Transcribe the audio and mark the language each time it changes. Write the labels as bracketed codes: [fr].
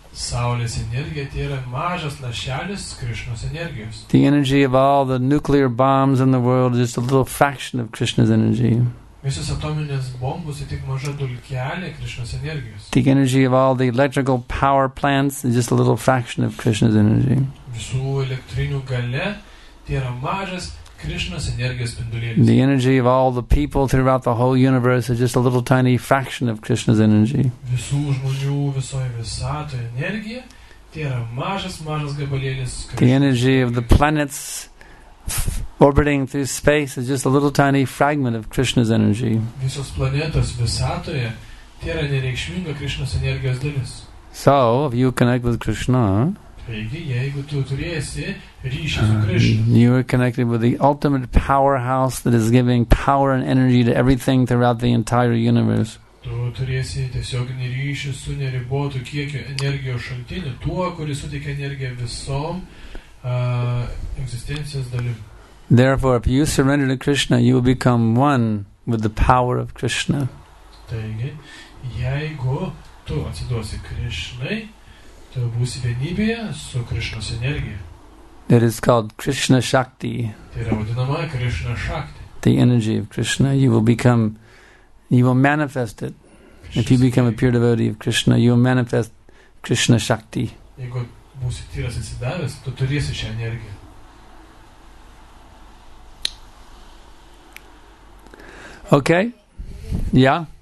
[lt] Saulės energija tai yra mažas lašelis Krishnos energijos. [en] The energy of all the nuclear bombs in the world is just a little fraction of Krishna's energy. [lt] Visos atominės bombos yra tik maža dulkelė Krishnos energijos. [en] The energy of all the electrical power plants is just a little fraction of Krishna's energy. [lt] Visų elektrinių galia tai yra mažas Krishna's energijos spindulėlis. [en] The energy of all the people throughout the whole universe is just a little tiny fraction of Krishna's energy. [lt] Visų žmonių visoje visatoje energija, tai yra mažas gabalėlis. [en] The energy of the planets orbiting through space is just a little tiny fragment of Krishna's energy. [lt] Visos planetos visatoje tai yra nereikšminga Krishna's energijos dalis. [en] So, if you connect with Krishna, you are connected with the ultimate powerhouse that is giving power and energy to everything throughout the entire universe. [lt] Tu turėsi tiesioginį ryšį su neribotu kiekio energijos šaltiniu, tuo, kuris suteikia energiją visom egzistencijos dalim. [en] Therefore, if you surrender to Krishna, you will become one with the power of Krishna. [lt] Taigi, jeigu tu atsiduosi Krishnai, tu būsi vienybėje su Krishnos energija. [en] It is called Krishna Shakti. [lt] Tai yra vadinama Krishna Shakti. [en] The energy of Krishna, you will become... You will manifest it. If you become a pure devotee of Krishna, you will manifest Krishna Shakti. Okay? Yeah?